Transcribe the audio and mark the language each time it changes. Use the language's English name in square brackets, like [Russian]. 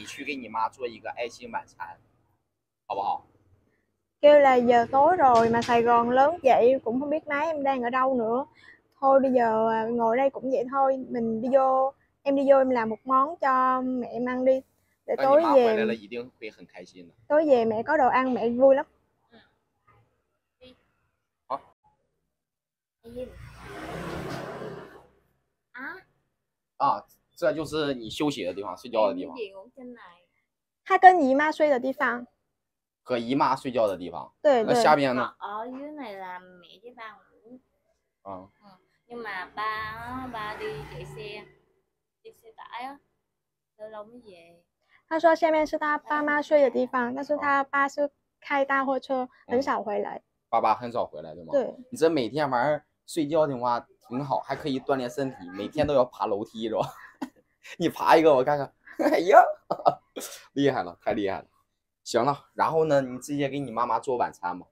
[Chinese] 小优，你妈第一次没有电话，而且呢，胡志明市又这么大，你也不知道她去哪里找你。那这样，然后我们在这里坐着呢，也是浪费时间。你妈妈那么爱你，对吗？去找你找一下午，你也长大了，这个时间呢，你去给你妈做一个爱心晚餐，好不好？ [Vietnamese] Kêu là giờ tối rồi mà Sài Gòn lớn vậy cũng không biết má em đang ở đâu nữa. Thôi bây giờ ngồi đây cũng vậy thôi, mình đi vô, em đi vô em làm một món cho mẹ em ăn đi. Để tối về, tối về mẹ có đồ ăn mẹ vui lắm. [Chinese] À, 这就是你休息的地方，睡觉的地方。他 跟 姨 妈 睡 的 地 方。和 姨 妈 睡 觉 的 地 方。对 对。那 下 边 呢？哦， 原 来 [Vietnamese] là mẹ đi ba ngủ。 [Chinese] 啊。 [Vietnamese] Nhưng mà ba đi chạy xe, đi xe tải á, lâu lâu mới về. [Chinese] 他说 下 面 是 他 爸 妈 睡 的 地 方， 但是 他 爸 是 开 大货车， 很 少 回 来。爸爸 很 少 回 来， 对 吗？对。你 这 每 天 玩 睡 觉 的 话 挺 好， 还 可 以 锻炼 身 体， 每 天 都 要 爬 楼 梯 是 吧？你 爬 一 个 我 看 看。哎 呀， 厉 害 了， 太 厉 害 了。行 了， 然 后 呢， 你 直接 给 你 妈 妈 做 晚 餐 吗？